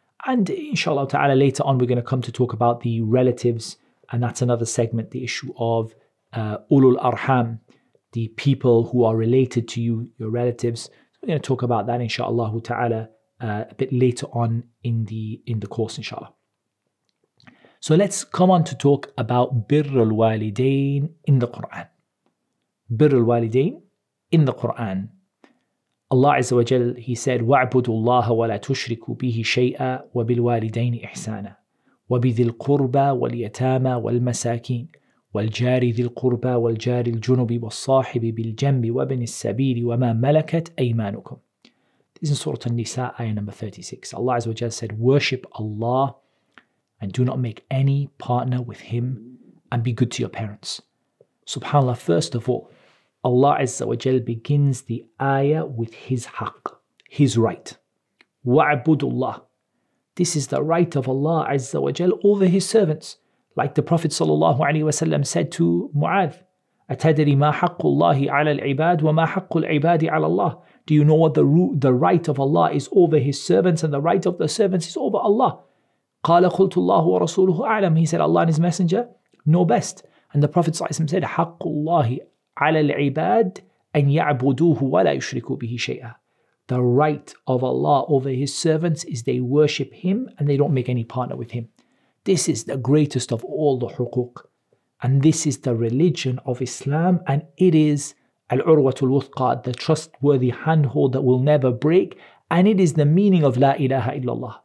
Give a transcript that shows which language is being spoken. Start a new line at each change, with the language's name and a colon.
English: And inshallah ta'ala, later on, we're going to come to talk about the relatives, and that's another segment, the issue of ulul arham, the people who are related to you, your relatives. So we're going to talk about that, inshallah ta'ala, a bit later on in the course, inshallah. So let's come on to talk about birr al-walidain in the Qur'an. Birr al-walidain in the Qur'an. Allah Azza wa Jal, he said,
Arabic: وَاعْبُدُوا اللَّهَ وَلَا تُشْرِكُوا بِهِ شَيْئًا وَبِالْوَالِدَيْنِ إِحْسَانًا وَبِذِي الْقُرْبَى وَالْيَتَامَى وَالْمَسَاكِينِ وَالْجَارِ ذِي الْقُرْبَى وَالْجَارِ الْجُنُبِ وَالصَّاحِبِ بِالْجَنْبِ وَابْنِ السَّبِيلِ وَمَا مَلَكَتْ أَيْمَانُكُمْ.
English: This is Surah An-Nisa, ayah number 36. Allah Azza wa Jal said, worship Allah and do not make any partner with him, and be good to your parents. SubhanAllah, first of all, Allah Azza wa Jal begins the ayah with His haqq, His right. Wa'budullah. This is the right of Allah Azza wa Jal over His servants. Like the Prophet Sallallahu Alaihi Wasallam said to Mu'adh,
Arabic: أَتَدْرِ مَا حَقُّ اللَّهِ عَلَى الْعِبَادِ وَمَا حَقُّ الْعِبَادِ عَلَى اللَّهِ.
English: Do you know what the right of Allah is over His servants and the right of the servants is over Allah?
Arabic: قَالَ قُلْتُ اللَّهُ وَرَسُولُهُ أَعْلَمُ.
English: He said, Allah and His Messenger know best. And the Prophet said,
Arabic: حَقُّ اللَّهِ عَلَى الْعِبَادِ أَنْ يَعْبُدُوهُ وَلَا يُشْرِكُوا بِهِ شَيْئًا.
English: The right of Allah over His servants is they worship Him and they don't make any partner with Him. This is the greatest of all the huquq. And this is the religion of Islam, and it is al-urwatul wuthqa, the trustworthy handhold that will never break, and it is the meaning of la ilaha illallah.